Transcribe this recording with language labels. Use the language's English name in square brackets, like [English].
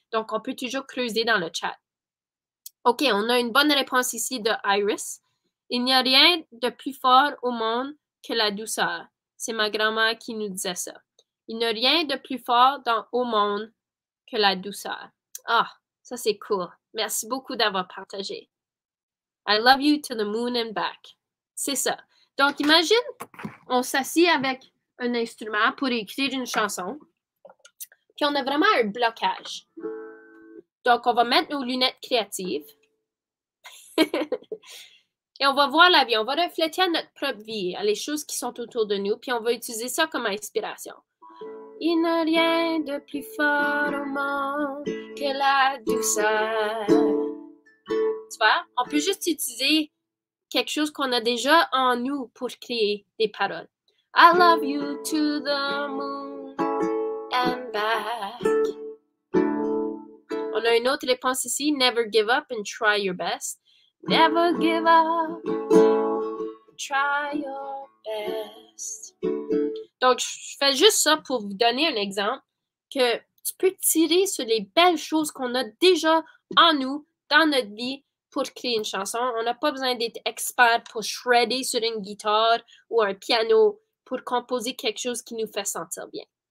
[French] Donc, on peut toujours creuser dans le chat. OK, on a une bonne réponse ici de Iris. Il n'y a rien de plus fort au monde que la douceur. C'est ma grand-mère qui nous disait ça. Il n'y a rien de plus fort au monde que la douceur. Ah, ça c'est cool. Merci beaucoup d'avoir partagé. [English] I love you to the moon and back. [French] C'est ça. Donc, imagine, on s'assied avec un instrument pour écrire une chanson. Puis, on a vraiment un blocage. Donc, on va mettre nos lunettes créatives. Et on va voir la vie. On va refléter à notre propre vie, à les choses qui sont autour de nous. Puis, on va utiliser ça comme inspiration. Il n'y a rien de plus fort au monde que la douceur. Tu vois, on peut juste utiliser quelque chose qu'on a déjà en nous pour créer des paroles. [English] I love you to the moon and back. [French] On a une autre réponse ici. [English] Never give up and try your best. Never give up, try your best. [French] Donc, je fais juste ça pour vous donner un exemple que tu peux tirer sur les belles choses qu'on a déjà en nous, dans notre vie, pour créer une chanson. On n'a pas besoin d'être expert pour shredder sur une guitare ou un piano pour composer quelque chose qui nous fait sentir bien.